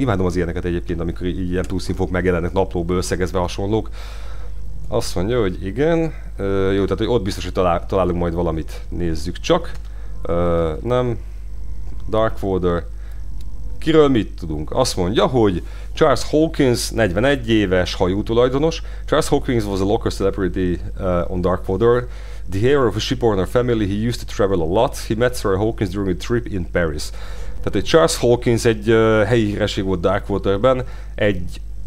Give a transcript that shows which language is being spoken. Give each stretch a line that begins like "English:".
Hungarian: Imádom az ilyeneket egyébként, amikor ilyen plusz infók megjelennek naplóba összegezve hasonlók. Azt mondja, hogy igen. Jó, tehát hogy ott biztos, hogy találunk majd valamit. Nézzük csak. Nem. Darkwater. Kiről mit tudunk? Azt mondja, hogy Charles Hawkins, 41 éves hajótulajdonos.
English: Charles Hawkins was a local celebrity on Darkwater. The heir of a shipowner family, he used to travel a lot. He met Sarah Hawkins during a trip in Paris.
Hungarian: Tehát egy Charles Hawkins egy helyi híresség volt Darkwaterben. Egy